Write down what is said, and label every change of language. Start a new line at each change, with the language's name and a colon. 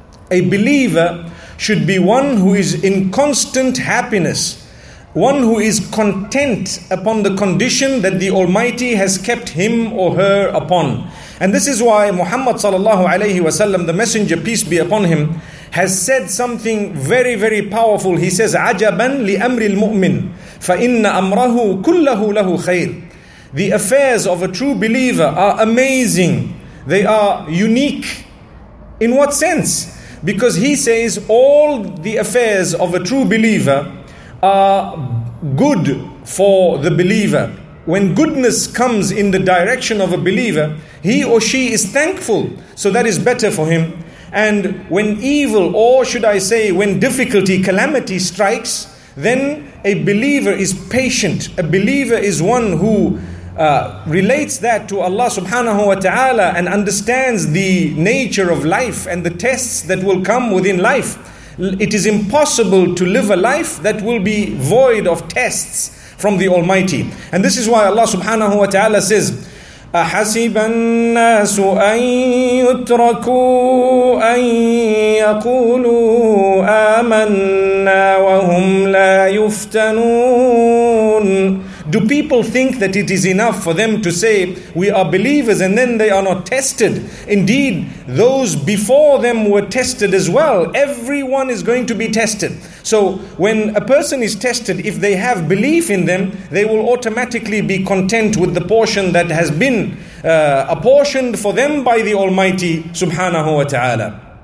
English: A believer should be one who is in constant happiness, one who is content upon the condition that the Almighty has kept him or her upon. And this is why Muhammad sallallahu alayhi wa sallam, the messenger peace be upon him, has said something very, very powerful.
Arabic: He says, عَجَبًا لِأَمْرِ الْمُؤْمِنِ فَإِنَّ أَمْرَهُ كُلَّهُ لَهُ خَيْرٍ.
English: The affairs of a true believer are amazing. They are unique. In what sense? Because he says all the affairs of a true believer are good for the believer. When goodness comes in the direction of a believer, he or she is thankful, so that is better for him. And when evil, or should I say, when difficulty, calamity strikes, then a believer is patient. A believer is one who relates that to Allah subhanahu wa ta'ala and understands the nature of life and the tests that will come within life. It is impossible to live a life that will be void of tests from the Almighty.
Arabic: And this is why Allah subhanahu wa ta'ala says, أَحَسِبَ النَّاسُ أَن يُتْرَكُوا أَن يَقُولُوا آمَنَّا وَهُمْ لَا يُفْتَنُونَ.
English: Do people think that it is enough for them to say, we are believers, and then they are not tested? Indeed, those before them were tested as well. Everyone is going to be tested. So when a person is tested, if they have belief in them, they will automatically be content with the portion that has been apportioned for them by the Almighty subhanahu wa ta'ala.